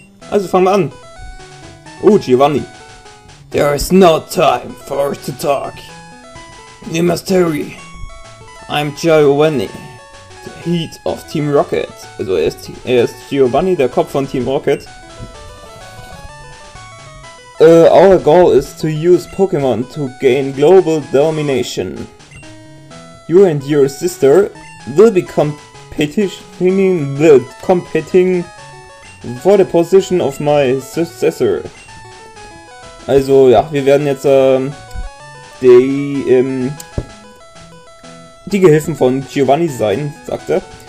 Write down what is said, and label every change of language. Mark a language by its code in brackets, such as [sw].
[de] Also fangen wir an. Giovanni. [en] There is no time for to talk. Name is Terry. I'm Giovanni. Heat of Team Rocket. [de] Also er ist Giovanni, der Kopf von Team Rocket. [en] Our goal is to use Pokémon to gain global domination. You and your sister will be competing for the position of my successor. [de] Also ja, wir werden jetzt die Gehilfen von Giovanni sein, sagt er.